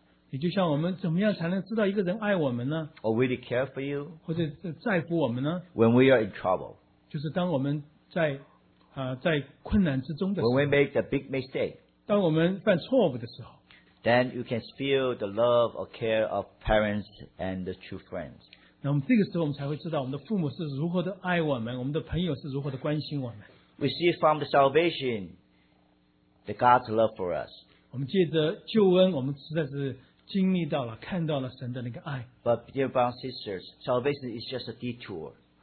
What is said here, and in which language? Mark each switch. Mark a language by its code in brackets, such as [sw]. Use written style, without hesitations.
[zh] 也就像我们怎么样才能知道一个人爱我们呢？ [en] Or really care for you? [zh] 或者在乎我们呢？ [en] When we are in trouble. [zh] 就是当我们在困难之中的时候。 [en] When we make a big mistake. [zh] 当我们犯错误的时候。 [en] Then you can feel the love or care of parents and the true friends. [zh] 那么这个时候我们才会知道我们的父母是如何的爱我们，我们的朋友是如何的关心我们。 [en] We see from the salvation the God's love for us. [zh] 我们借着救恩，我们实在是经历到了，看到了神的那个爱。 [en] But dear brothers and sisters, salvation is just a detour.